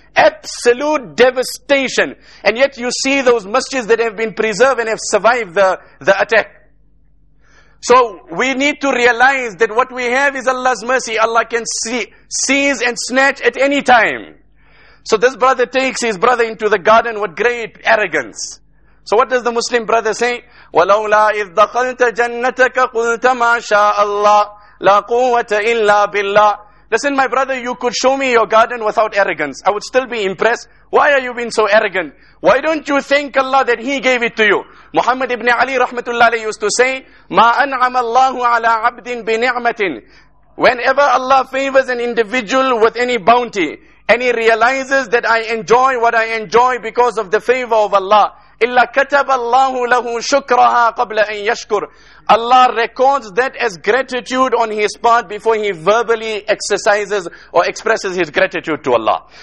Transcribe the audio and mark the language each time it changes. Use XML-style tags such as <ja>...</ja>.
<en>Absolute devastation. And yet you see those masjids that have been preserved and have survived the attack. So we need to realize that what we have is Allah's mercy. Allah can seize and snatch at any time. So this brother takes his brother into the garden with great arrogance. So what does the Muslim brother say?</en> <ar>وَلَوْلَا إِذْ دَخَلْتَ جَنَّتَكَ قُلْتَ مَا شَاءَ اللَّهِ لَا قُوَّةَ إِلَّا بِاللَّهِ</ar> <en>Listen, my brother, you could show me your garden without arrogance. I would still be impressed. Why are you being so arrogant? Why don't you thank Allah that He gave it to you? Muhammad ibn Ali rahmatullah alayhi used to say,</en> <ar>مَا أَنْعَمَ اللَّهُ عَلَىٰ عَبْدٍ بِنِعْمَةٍ</ar> <en>Whenever Allah favors an individual with any bounty, and he realizes that I enjoy what I enjoy because of the favor of Allah,</en> <ar>إِلَّا كَتَبَ اللَّهُ لَهُ شُكْرَهَا قَبْلَ أَنْ يَشْكُرُ</ar> <en>Allah records that as gratitude on his part before he verbally exercises or expresses his gratitude to Allah.</en>